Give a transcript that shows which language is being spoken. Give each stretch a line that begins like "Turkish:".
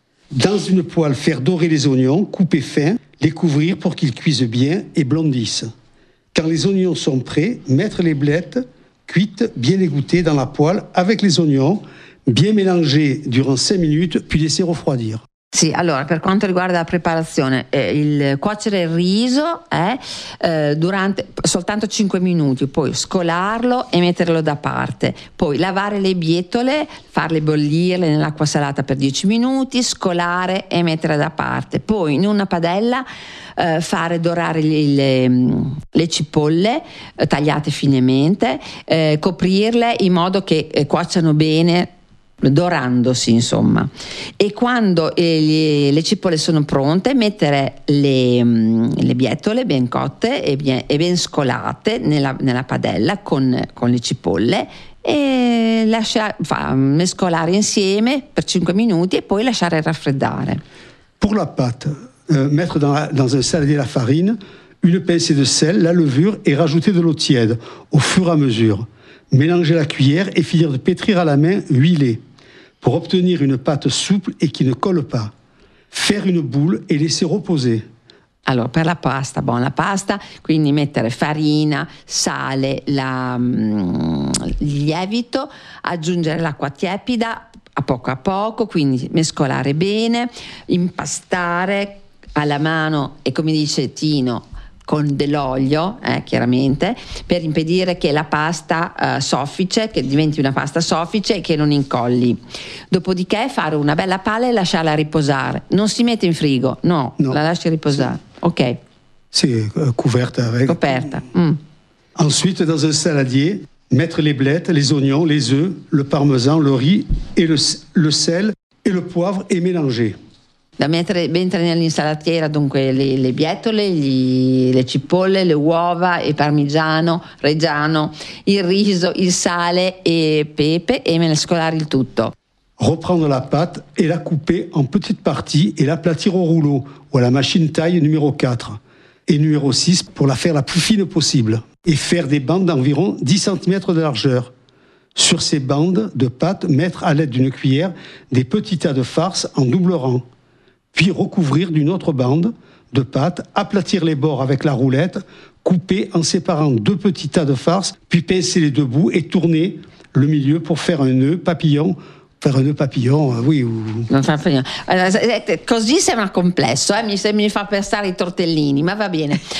French: Dans une poêle, faire dorer les oignons, couper fin, les couvrir pour qu'ils cuisent bien et blondissent. Quand les oignons sont prêts, mettre les blettes cuites, bien égouttées dans la poêle avec les oignons, bien mélanger durant 5 minutes, puis laisser refroidir.
Italian: Sì, allora, per quanto riguarda la preparazione, il cuocere il riso durante soltanto 5 minuti, poi scolarlo e metterlo da parte, poi lavare le bietole, farle bollire nell'acqua salata per 10 minuti, scolare e mettere da parte, poi in una padella fare dorare le cipolle tagliate finemente, coprirle in modo che cuociano bene, dorandosi insomma, e quando le cipolle sono pronte mettere le bietole ben cotte e ben scolate nella padella con le cipolle e mescolare insieme per 5 minuti e poi lasciare raffreddare. Pour la pâte, mettre dans un saladier la farine, une pincée de sel, la levure et rajouter de l'eau tiède au fur et à mesure, mélanger la cuillère et finir de pétrir à la main huilée pour obtenir une pâte souple et qui ne colle pas. Faire une boule et laisser reposer. Allora, per la pasta, la pasta, quindi mettere farina, sale, il lievito, aggiungere l'acqua tiepida a poco, quindi mescolare bene, impastare alla mano e come dice Tino, con dell'olio, chiaramente, per impedire che la pasta soffice, che diventi una pasta soffice e che non incolli. Dopodiché fare una bella palla e lasciarla riposare. Non si mette in frigo, no. La lasci riposare. Sì. Ok.
French: Sì, couverte avec.
Italian: Coperta. Mm.
French: Ensuite, dans un saladier, mettre les blettes, les oignons, les œufs, le parmesan, le riz et le sel et le poivre et mélanger.
Italian: Da mettere nell'insalatiera dunque le bietole, le cipolle, le uova, il parmigiano, reggiano, il riso, il sale e pepe e mescolare il tutto.
French: Reprendre la pâte et la couper en petites parties et l'aplatir au rouleau ou à la machine taille numéro 4 et numéro 6 pour la faire la plus fine possible et faire des bandes d'environ 10 cm de largeur. Sur ces bandes de pâte, mettre à l'aide d'une cuillère des petits tas de farce en double rang. Puis recouvrir d'une autre bande de pâte, aplatir les bords avec la roulette, couper en séparant deux petits tas de farce, puis pincer les deux bouts et tourner le milieu pour faire un nœud papillon. Faire un nœud papillon, oui.
Italian: Non, così sembra complesso, mi fa pensare i tortellini, ma va bene.